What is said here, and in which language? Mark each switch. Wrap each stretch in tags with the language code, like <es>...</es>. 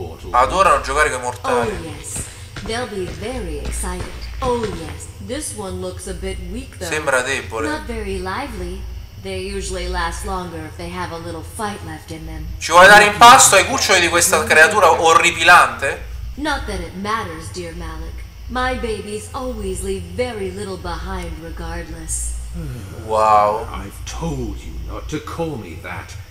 <it>Adorano giocare con i mortali.</it> <en>They'll be very excited. Oh yes, this one looks a bit weak though.</en> <it>Sembra debole.</it> <en>Not very lively. They usually last longer if they have a little fight left in them.</en> <it>Ci vuole dare impasto ai cuccioli di questa creatura orripilante?</it> <en>Not that it matters, dear Malik. My babies always leave very little behind regardless. Wow. I've told you not to call me that.</en>